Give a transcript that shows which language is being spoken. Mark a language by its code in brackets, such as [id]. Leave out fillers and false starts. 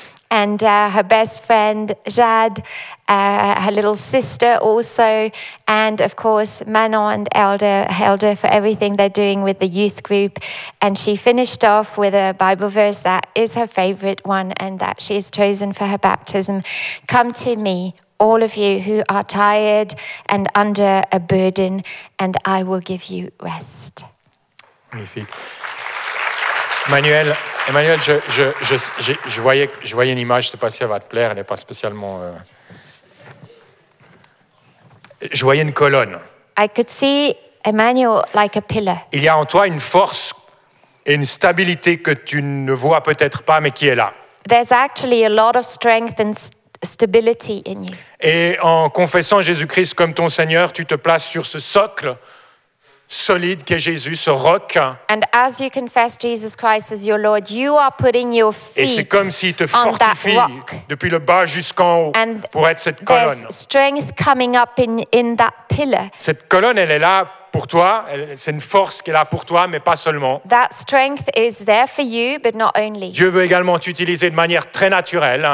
[en] And her best friend, Jade, her little sister also, and of course, Manon and Elder for everything they're doing with the youth group. And she finished off with a Bible verse that is her favorite one and that she has chosen for her baptism. Come to me, all of you who are tired and under a burden, and I will give you rest. Magnifique. [fr] Emmanuel, je voyais une image, je ne sais pas si elle va te plaire, elle n'est pas spécialement... Je voyais une colonne. [en] I could see Emmanuel like a pillar. [fr] Il y a en toi une force et une stabilité que tu ne vois peut-être pas, mais qui est là. [en] There's actually a lot of strength and stability in you. [fr] Et en confessant Jésus-Christ comme ton Seigneur, tu te places sur ce socle solide qu'est Jésus, ce roc. [en] And as you confess Jesus Christ as your Lord, you are putting your feet on that rock. [fr] Et c'est comme s'il te fortifie depuis le bas jusqu'en haut [en] and [fr] pour être cette colonne. [en] There's strength coming up in that pillar. [fr] Cette colonne, elle est là pour toi. C'est une force qui est là pour toi, mais pas seulement. [en] That strength is there for you, but not only. [fr] Dieu veut également t'utiliser de manière très naturelle.